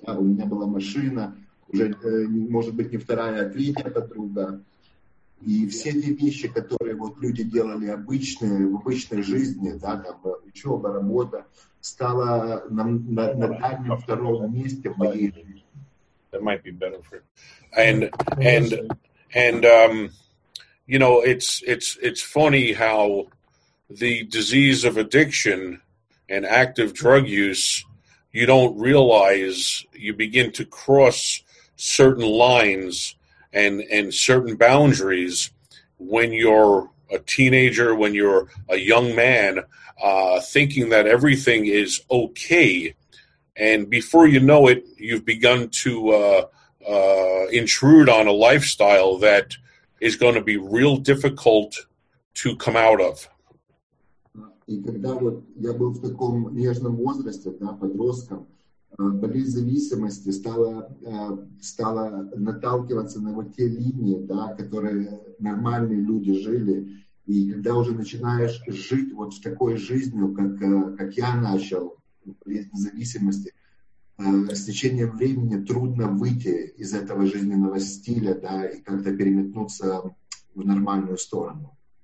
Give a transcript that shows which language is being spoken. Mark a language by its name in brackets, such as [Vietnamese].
[Russian] У меня была машина, уже, может быть, не вторая, а третья подруга. И все те вещи, которые вот люди делали обычные, в обычной жизни, да, там, учеба, работа, стало на дальнем втором месте в моей жизни. [English] That might be better for you. And you know, it's funny how the disease of addiction and active drug use, you don't realize you begin to cross certain lines and certain boundaries when you're a teenager, when you're a young man, thinking that everything is okay. And before you know it, you've begun to intrude on a lifestyle that is going to be real difficult to come out of. [Russian] И когда вот я был в таком нежном возрасте, да, подростком, болезнь зависимости стала наталкиваться на вот те линии, да, которые нормальные люди жили. И когда уже начинаешь жить вот с такой жизнью, как я начал, болезнь зависимости, с течением времени трудно выйти из этого жизненного стиля, да, и как-то переметнуться в нормальную сторону.